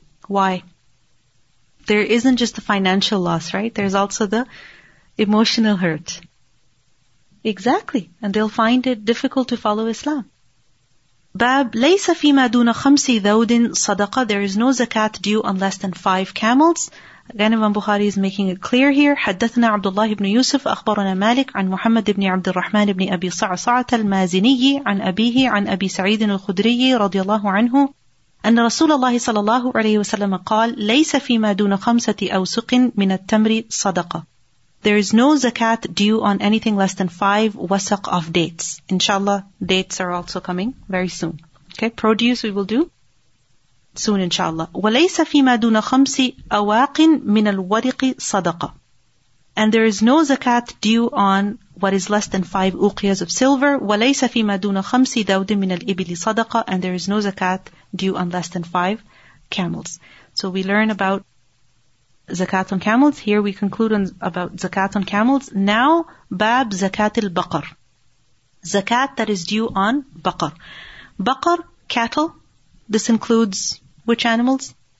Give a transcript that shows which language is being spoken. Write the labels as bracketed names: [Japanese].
[English] Why? There isn't just the financial loss, right? There's also the emotional hurt. Exactly. And they'll find it difficult to follow Islam. [Arabic] Bab, لَيْسَ فِي مَا دُونَ خَمْسِ ذَوْدٍ صَدَقَةٍ. [English] There is no zakat due on less than 5 camels. Again, Imam Bukhari is making it clear here. [Arabic] حَدَّثْنَا عَبْدُ اللَّهِ بْنُ يُوسُفْ أَخْبَرُنَا مَالِكْ عَنْ مُحَمَّدْ بْنِ عَبْدِ الرَّحْمَنِ بْنِ أَبِي صَعْصَعَةَ الْمَازِنِيِّ عَنْ أَبِيهِ عَنْ أَبِي سَعِيدٍ الْخُدْرِيِّ رَضِيَ اللَّهُ عَنْهُ أن رسول الله صلى الله عليه وسلم قال ليس فيما دون خمسة أوسق من التمر صدقة. [English] There is no zakat due on anything less than 5 wasaq of dates. Inshallah, dates are also coming very soon. Okay, produce we will do soon, inshallah. [Arabic] وليس فيما دون خمس أواق من الورق صدقة. [English] And there is no zakat due on what is less than 5 uqiyas of silver. [Arabic] وليس فيما دون خمس ذود من الإبل صدقة. [English] And there is no zakat due on less than 5 camels. So we learn about zakat on camels. Here we conclude on about zakat on camels. Now, bab zakat al-baqar. Zakat that is due on baqar. Baqar, cattle. This includes which animals?